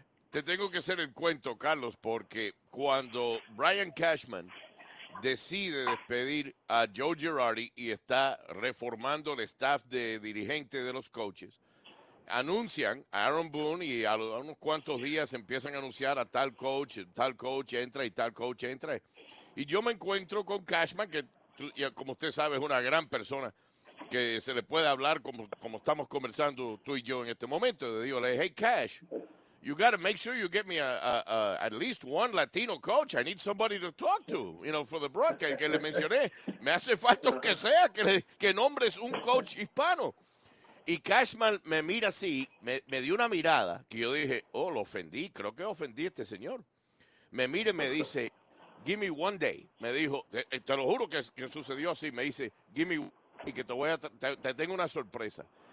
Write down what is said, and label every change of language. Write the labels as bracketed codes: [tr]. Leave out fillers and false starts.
[es] Te tengo que hacer el cuento, Carlos, porque cuando Brian Cashman decide despedir a Joe Girardi y está reformando el staff de dirigente de los coaches, anuncian a Aaron Boone y a unos cuantos días empiezan a anunciar a tal coach entra y tal coach entra. Y yo me encuentro con Cashman, que como usted sabe es una gran persona, que se le puede hablar como estamos conversando tú y yo en este momento. Le digo, [en] hey, Cash, you got to make sure you get me a at least one Latino coach. I need somebody to talk to, you know, for the broadcast. [es] Que le mencioné. Me hace falta que sea, que nombres un coach hispano. Y Cashman me mira así, me dio una mirada, que yo dije, oh, lo ofendí. Creo que ofendí a este señor. Me mira y me dice, [en] give me one day. [es] Me dijo, te lo juro que sucedió así. Me dice, [en] give me [es] y que te tengo una sorpresa.